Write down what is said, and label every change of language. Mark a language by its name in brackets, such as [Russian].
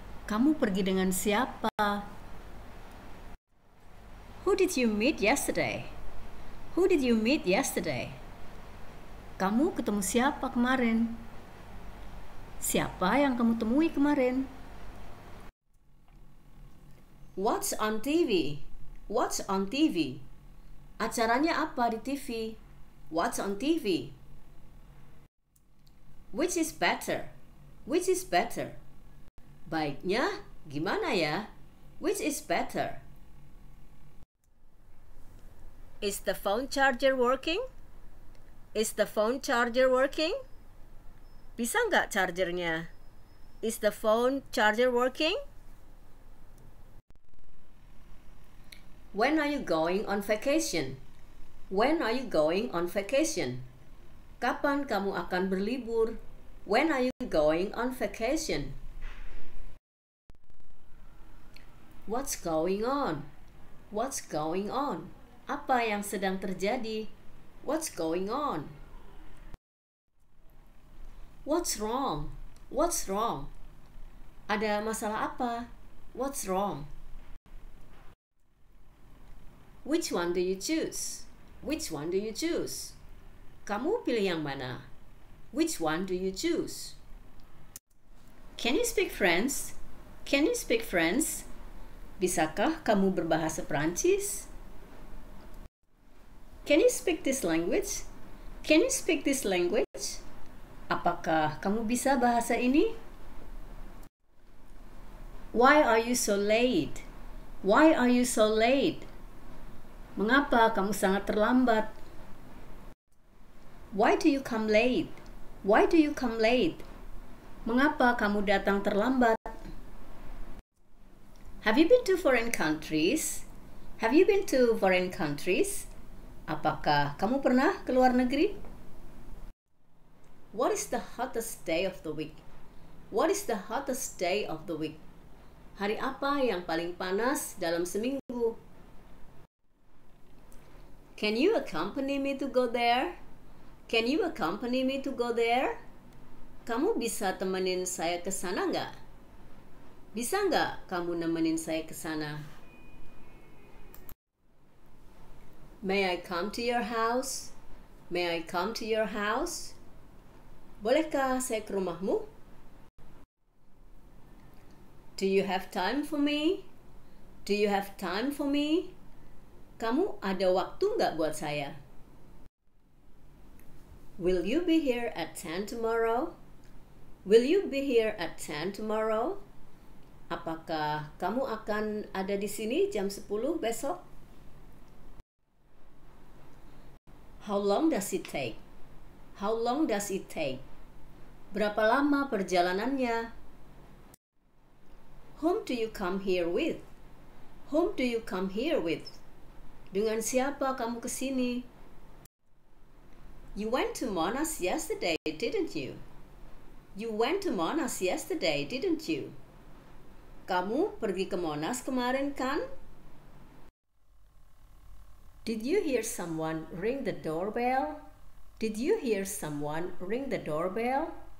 [Indonesian] Kamu pergi dengan siapa? [English] Who did you meet yesterday? Who did you meet yesterday? [Indonesian] Kamu ketemu siapa kemarin? Siapa yang kamu temui kemarin? [English] What's on TV? What's on TV? [Indonesian] Acaranya apa di TV? [English] What's on TV? Which is better? Which is better? [Indonesian] Baiknya gimana ya? [English] Which is better? Is the phone charger working? Is the phone charger working? [Indonesian] Bisa nggak chargernya? [English] Is the phone charger working? When are you going on vacation? When are you going on vacation? [Indonesian] Kapan kamu akan berlibur? [English] When are you going on vacation? What's going on? What's going on? [Indonesian] Apa yang sedang terjadi? [English] What's going on? What's wrong? What's wrong? [Indonesian] Ada masalah apa? [English] What's wrong? Which one do you choose? Which one do you choose? [Indonesian] Kamu pilih yang mana? [English] Which one do you choose? Can you speak French? Can you speak French? [Indonesian] Bisakah kamu berbahasa Perancis? [English] Can you speak this language? Can you speak this language? [Indonesian] Apakah kamu bisa bahasa ini? [English] Why are you so late? Why are you so late? [Indonesian] Mengapa kamu sangat terlambat? [English] Why do you come late? Why do you come late? [Indonesian] Mengapa kamu datang terlambat? [English] Have you been to foreign countries? Have you been to foreign countries? [Indonesian] Apakah kamu pernah ke luar negeri? [English] What is the hottest day of the week? What is the hottest day of the week? [Indonesian] Hari apa yang paling panas dalam seminggu? [English] Can you accompany me to go there? Can you accompany me to go there? [Indonesian] Kamu bisa temenin saya ke sana enggak? Bisa enggak kamu nemenin saya ke sana? [English] May I come to your house? May I come to your house? [Indonesian] Bolehkah saya ke rumahmu? [English] Do you have time for me? Do you have time for me? [Indonesian] Kamu ada waktu enggak buat saya? [English] Will you be here at 10 tomorrow? Will you be here at 10 tomorrow? [Indonesian] Apakah kamu akan ada di sini jam 10 besok? [English] How long does it take? How long does it take? [Indonesian] Berapa lama perjalanannya? [English] Whom do you come here with? Whom do you come here with? [Indonesian] Dengan siapa kamu ke sini? [English] You went to Monas yesterday, didn't you? You went to Monas yesterday, didn't you? [Indonesian] Kamu pergi ke Monas kemarin, kan? [English] Did you hear someone ring the doorbell? Did you hear someone ring the doorbell?